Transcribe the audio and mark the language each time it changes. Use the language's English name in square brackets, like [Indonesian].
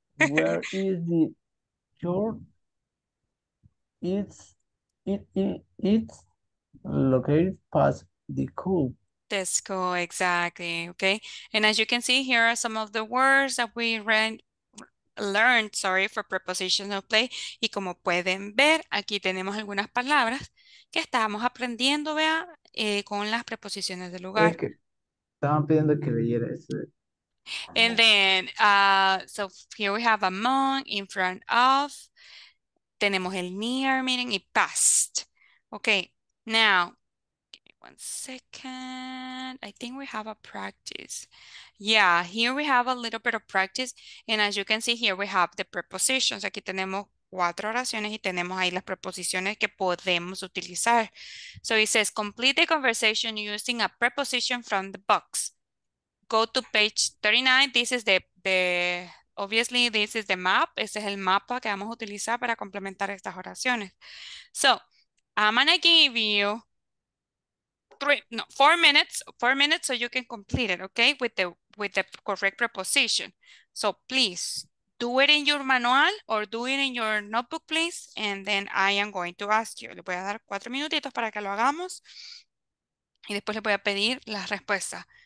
[English] Where is the church? It's located past the school. The school, exactly. Okay. And as you can see, here are some of the words that we learned for prepositions of place. [Spanish] Y como pueden ver, aquí tenemos algunas palabras que estábamos aprendiendo, vea, con las preposiciones de lugar. Es que, Estaban pidiendo que leyera ese. [English] And then, so here we have among, in front of. [Spanish] Tenemos el [English] near, meaning, [Spanish] y [English] past. Okay, now, give me 1 second. I think we have a practice. Yeah, here we have a little bit of practice. And as you can see here, we have the prepositions. [Spanish] Aquí tenemos 4 oraciones y tenemos ahí las preposiciones que podemos utilizar. [English] So it says, complete the conversation using a preposition from the box. Go to page 39. This is the obviously, this is the map. [Spanish] Ese es el mapa que vamos a utilizar para complementar estas oraciones. [English] So, I'm going to give you 4 minutes. 4 minutes so you can complete it, okay? With the correct preposition. So, please, do it in your manual or do it in your notebook, please. And then I am going to ask you. [Spanish] Le voy a dar 4 minutitos para que lo hagamos. Y después le voy a pedir la respuesta.